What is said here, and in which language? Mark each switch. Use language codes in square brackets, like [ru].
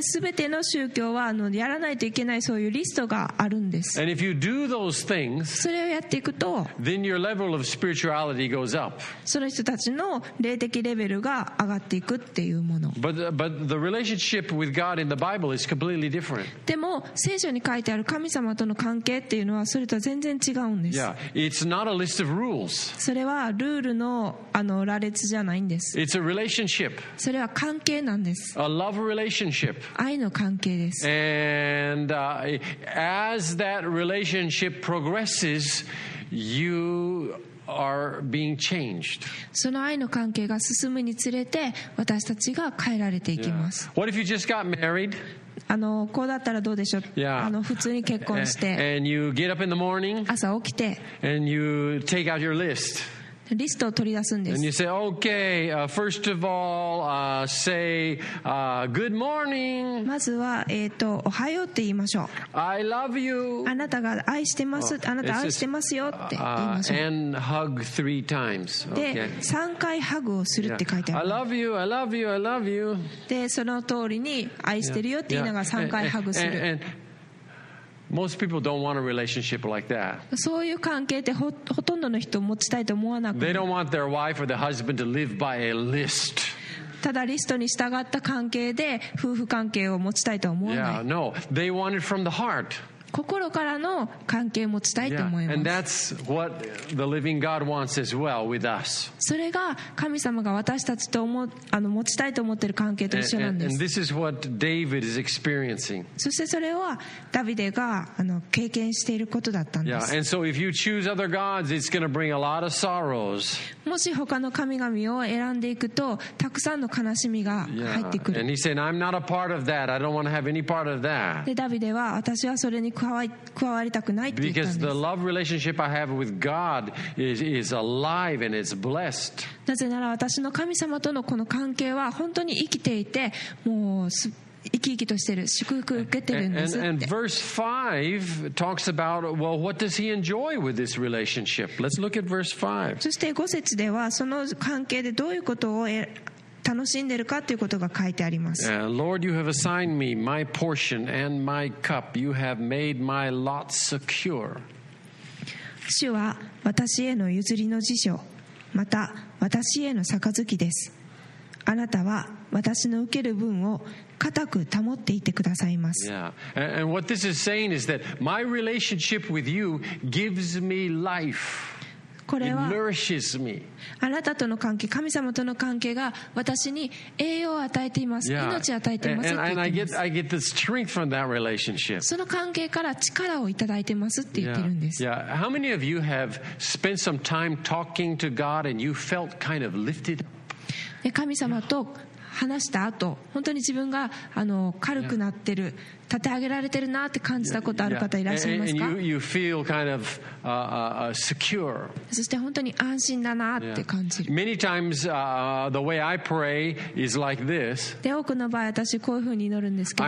[ja] 全ての宗教はやらないといけないそういうリストがあるんです。 [en] And if you do those things, [ja] それをやっていくと [en] then your level of spirituality goes up. [ja] その人たちの霊的レベルが上がっていくっていうもの。 [en] but the relationship with God in the Bible is completely different. [ja] でも聖書に書いてある神様との関係っていうのはそれとは全然違うんです。 [en] yeah, it's not a list of rules. [ja] それはルールの、羅列じゃないんです。 [en] it's a relationship. [ja] それは関係なんです。 [en] a love relationship. [ja] 愛の関係です。 [en] and as that relationship progresses, you are being changed. [ja] その愛の関係が進むにつれて私たちが変えられていきます。 [en] yeah. What if you just got married? [ja] こうだったらどうでしょう、 [en] yeah. [ja] 普通に結婚して [en] and you get up in the morning, [ja] 朝起きて [en] and you take out your list. [ja] リストを取り出すんです。 [en] and you say, okay, first of all, say, good morning. [ja] まずは、おはようって言いましょう。 [en] I love you. [ja] あなたが愛してます、あなた愛してますよって言いましょう。 [en] and hug three times. [ja] で、3回ハグをするって書いてある。 [en] I love you, I love you, I love you. [ja] で、その通りに愛してるよって言いながら3回ハグする。 [en] Most people don't want a relationship like that. [ja] そういう関係ってほとんどの人持ちたいと思わなくて。 [en] They don't want their wife or their husband to live by a list. [ja] ただリストに従った関係で夫婦関係を持ちたいとは思わない。 [en] Yeah, no. They want it from the heart. [ja] 心からの関係を持ちたいと思います。 [en] Yeah, and that's what the living God wants as well with us. [ja] それが神様が私たちと持ちたいと思っている関係と一緒なんです。 [en] And this is what David is experiencing. [ja] そしてそれはダビデが経験していることだったんです。 [en] Yeah, and so if you choose other gods, it's going to bring a lot of sorrows. [ja] もし他の神々を選んでいくとたくさんの悲しみが入ってくる。 [en] Yeah, and he said, I'm not a part of that. I don't want to have any part of that. [ja] でダビデは私はそれに加わりたくないって言ったんです。 [en] Because the love relationship I have with God is alive and it's blessed. [ja] なぜなら私の神様とのこの関係は本当に生きていて、もう生き生きとしてる、祝福受けてるんですって。 [en] And verse 5 talks about, well, what does he enjoy with this relationship? Let's look at verse 5. [ja] そして5節ではその関係でどういうことを楽しんでるかということが書いてあります。 [en] Lord, you have assigned me my portion and my cup. You have made my lot secure. [ja] 主は私への譲りの辞書、また私への杯です。あなたは私の受ける分を固く保っていてくださいます。 [en] Yeah. And what this is saying is that my relationship with you gives me life. [ja] これは [en] It nourishes me. [ja] あなたとの関係、神様との関係が私に栄養を与えています。 [en] Yeah. [ja] 命を与えています。 [en] And I get the strength from that relationship. [ja] その関係から力をいただいてますって言ってるんです。 [en] Yeah. Yeah. How many of you have spent some time talking to God and you felt kind of lifted? [ja] 神様と話した後、本当に自分が軽くなってる、立て上げられてるなって感じたことある方いらっしゃいますか？ [en] you feel kind of, secure. [ja] そして本当に安心だなって感じる。 [en] Yeah. Many times, the way I pray is like this. [ja] で、多くの場合私こういうふうに祈るんですけど、